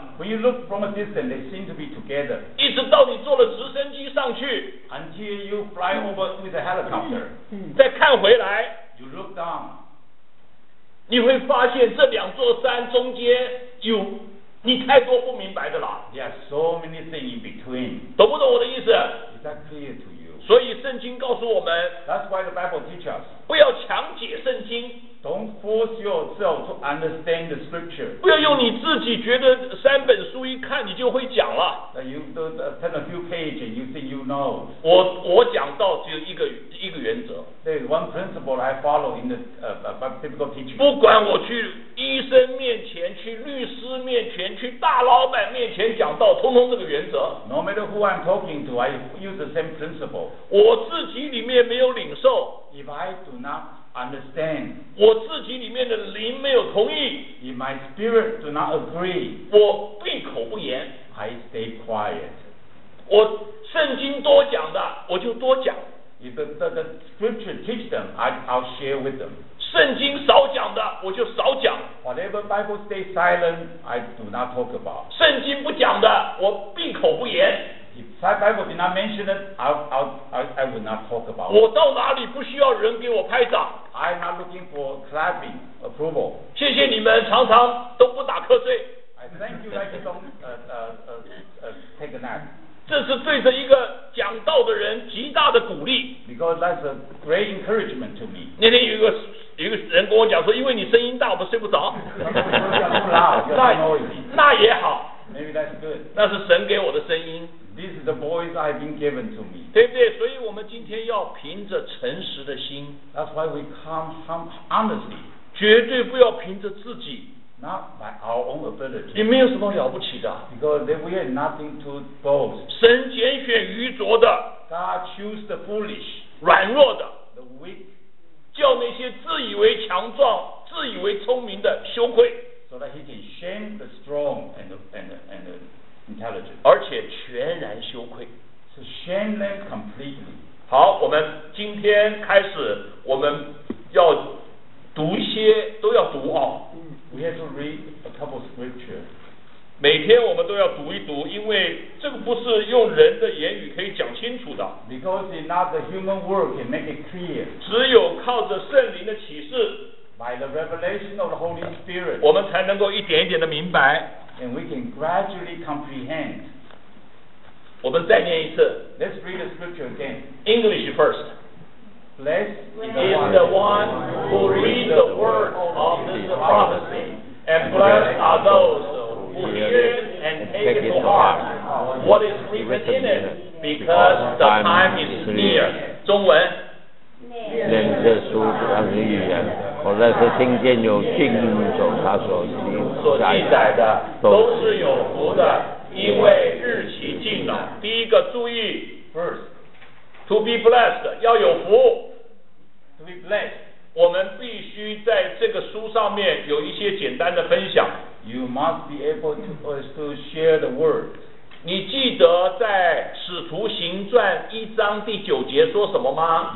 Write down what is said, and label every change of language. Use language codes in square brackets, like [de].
[en] When you look from a distance, they seem to be together. [zh] 一直到你坐了直升机上去 [en] ，until you fly over with a helicopter. [zh] 再看回来 [en] ，you look down. [zh] 你会发现这两座山中间有你太多不明白的了。 [en] There are so many things in between. [zh] 懂不懂我的意思？ [en] Is that clear to you? [zh] 所以圣经告诉我们， [en] That's why the Bible teaches. [zh] 不要强解圣经。 [en] Don't force yourself to understand the scripture. [zh] 不要用你自己觉得三本书一看你就会讲了。 [en] That you turn a few pages and you think you know. [zh] 我讲到只有一个原则。 [en] There's one principle I follow in the biblical teaching. [zh] 不管我去医生面前、去律师面前、去大老板面前讲到，通通这个原则。 [en] No matter who I'm talking to, I use the same principle. [zh] 我自己里面没有领受。 [en] If I do not understand, [zh] 我自己里面的灵没有同意。 [en] If my spirit do not agree, [zh] 我闭口不言。 [en] I stay quiet. [zh] 我圣经多讲的，我就多讲。 [en] If the scripture teach them, I'll share with them. [zh] 圣经少讲的，我就少讲。 [en] Whatever Bible stays silent, I do not talk about. [zh] 圣经不讲的，我闭口不言。 [en] If Bible did not mention it, I would not talk about it. [zh] 我到哪里不需要人给我拍掌。 [en] I'm not looking for clapping approval. [zh] 谢谢你们常常都不打瞌睡。 [en] I thank you that you don't take a nap. [zh] 这是对着一个讲道的人极大的鼓励。 [en] Because that's a great encouragement to me. [zh] 那天有一个人跟我讲说，因为你声音大，我们睡不着。那也好。 [en] Maybe that's good. [zh] 那是神给我的声音。 [en] This is the voice I've been given to me. [zh] 对不对？所以我们今天要凭着诚实的心。 [en] That's why we come honestly. [zh] 绝对不要凭着自己。 [en] Not by our own ability. [zh] 也没有什么了不起的。 [en] Because we have nothing to boast. [zh] 神拣选愚拙的。 [en] God choose the foolish. [zh] 软弱的。 [en] The weak. [zh] 叫那些自以为强壮、自以为聪明的羞愧。 [en] So that he can shame the strong and the intelligent. [zh] 而且全然羞愧。 [en] So shame them completely. [zh] 好，我们今天开始，我们要读一些，都要读啊。 [en] We have to read a couple of scriptures. [zh] 每天我们都要读一读，因为这个不是用人的言语可以讲清楚的。 [en] Because it's not the human word can make it clear. [zh] 只有靠着圣灵的启示。 [en] By the revelation of the Holy Spirit, [zh] 我们才能够一点一点的明白。 [en] And we can gradually comprehend. [zh] 我们再念一次。 [en] Let's read the scripture again. English first. Blessed is the one who reads the word of this prophecy, and blessed are those who hear it and take it to heart what is written in it, because the time is near. [zh] 中文。念这书当成预言，我那时听见有信守他所记载的都是有福的，因为日期近了。第一个注意 [en] ，first to be blessed [zh] 要有福 [en] ，to be blessed [zh] 我们必须在这个书上面有一些简单的分享。 [en] You must be able to share the word。 [zh] 你记得在《使徒行传》一章第九节说什么吗